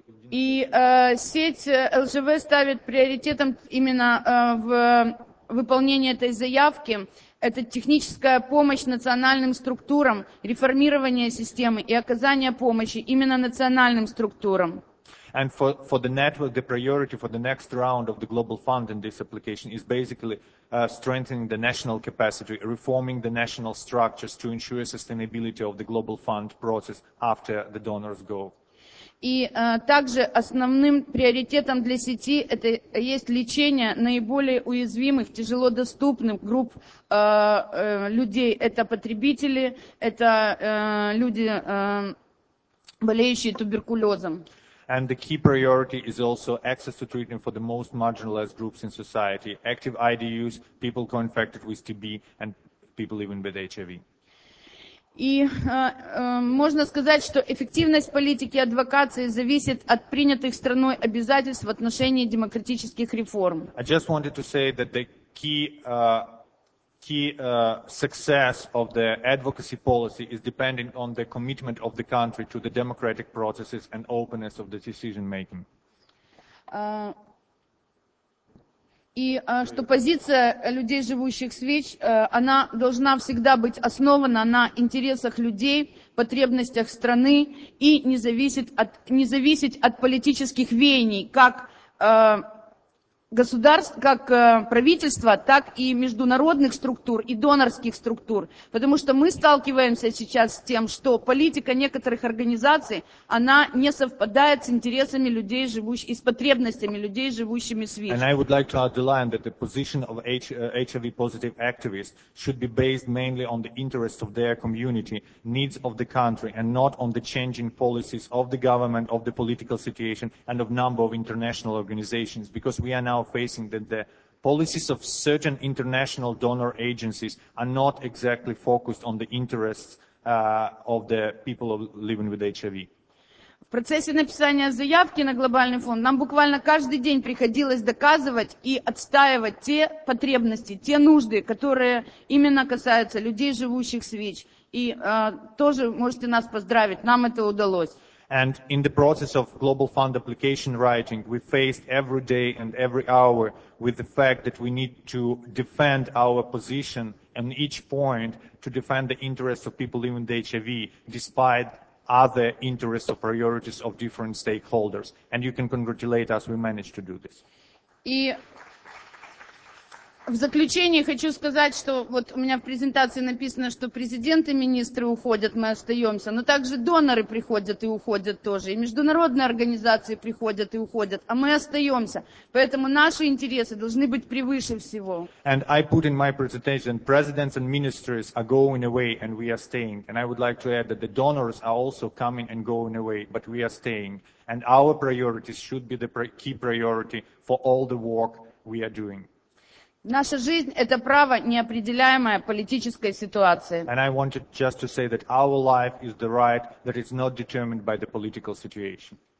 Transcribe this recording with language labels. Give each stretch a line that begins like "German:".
Russian: И сеть ЛЖВ ставит приоритетом именно в выполнении этой заявки. Это техническая помощь национальным структурам, реформирование системы и оказание помощи именно национальным структурам.
English: And for the network, the priority for the next round of the Global Fund in this application is basically strengthening the national capacity, reforming the national structures to ensure sustainability of the Global Fund process after the donors go.
Russian: И также основным приоритетом для сети это есть лечение наиболее уязвимых, тяжело доступных групп людей. Это потребители, это люди, болеющие туберкулезом.
English: And the key priority is also access to treatment for the most marginalized groups in society, active IDUs, people co-infected with TB, and people living with HIV.
Russian: И можно сказать, что эффективность политики адвокации зависит от принятых страной обязательств в отношении демократических реформ.
English: I just wanted to say that the key success of the advocacy policy is dependent on the commitment of the country to the democratic processes and openness of the decision making.
Russian: И что позиция людей, живущих с ВИЧ, она должна всегда быть основана на интересах людей, потребностях страны и не зависеть от политических веяний как государств, как правительства, так и международных структур и донорских структур. Потому что мы сталкиваемся сейчас с тем, что политика некоторых организаций, она не совпадает с интересами людей, живущих, с потребностями людей, живущими с ВИЧ.
English: And I would like to underline that the position of HIV positive activists should be based mainly on the interests of their community, needs of the country, and not on the changing policies of the government, of the political situation, and of number of international organizations, because we are now facing that the policies of certain international donor agencies are not exactly focused on the interests of the people living with HIV.
Russian: В процессе написания заявки на глобальный фонд нам буквально каждый день приходилось доказывать и отстаивать те потребности, те нужды, которые именно касаются людей, живущих с ВИЧ. И тоже можете нас поздравить, нам это удалось.
English: And in the process of Global Fund application writing, we faced every day and every hour with the fact that we need to defend our position on each point to defend the interests of people living with HIV despite other interests or priorities of different stakeholders. And you can congratulate us, we managed to do this.
Russian: В заключение хочу сказать, что вот у меня в презентации написано, что президенты, министры уходят, мы остаемся, но также доноры приходят и уходят тоже, и международные организации приходят и уходят, а мы остаемся. Поэтому наши интересы должны быть превыше всего.
English: And I put in my presentation, presidents and ministers are going away and we are staying. And I would like to add that the donors are also coming and going away, but we are staying. And our priorities should be the key priority for all the work we are doing.
Russian: Наша жизнь – это право, неопределяемое политической ситуацией.
English: And I wanted just to say that our life is the right that is not determined by the political situation.